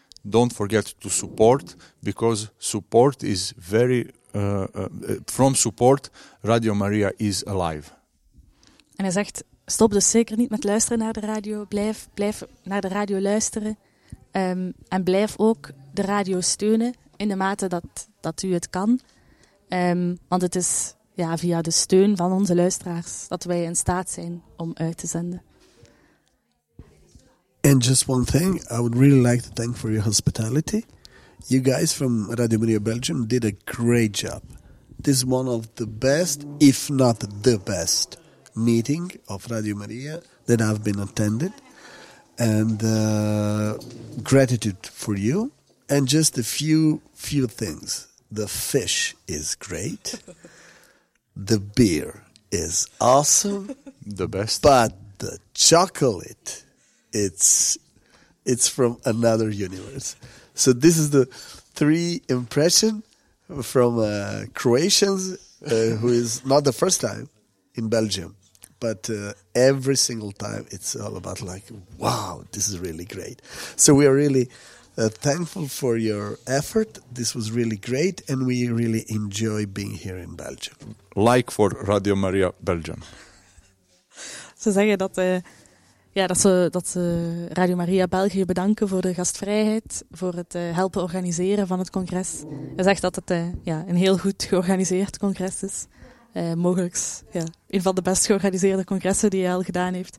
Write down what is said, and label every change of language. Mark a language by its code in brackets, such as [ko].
[en] Don't forget to support, because support is very from support Radio Maria is alive. [nl] En hij zegt, stop dus zeker niet met luisteren naar de radio. Blijf naar de radio luisteren en blijf ook de radio steunen in de mate dat u het kan. Want het is via de steun van onze luisteraars dat wij in staat zijn om uit te zenden. [en] And just one thing, I would really like to thank for your hospitality. You guys from Radio Maria Belgium did a great job. This is one of the best, if not the best, meeting of Radio Maria that I've been attended. And gratitude for you. And just a few things. The fish is great. The beer is awesome. The best. But the chocolate, it's from another universe. So this is the three impression from a Croatian who is not the first time in Belgium. But every single time it's all about like, wow, this is really great. So we are really thankful for your effort. This was really great and we really enjoy being here in Belgium. Like for Radio Maria Belgium. [nl] Ze zeggen dat, ja, dat ze Radio Maria België bedanken voor de gastvrijheid, voor het helpen organiseren van het congres. Ze zegt dat het een heel goed georganiseerd congres is. Een van de best georganiseerde congressen die hij al gedaan heeft.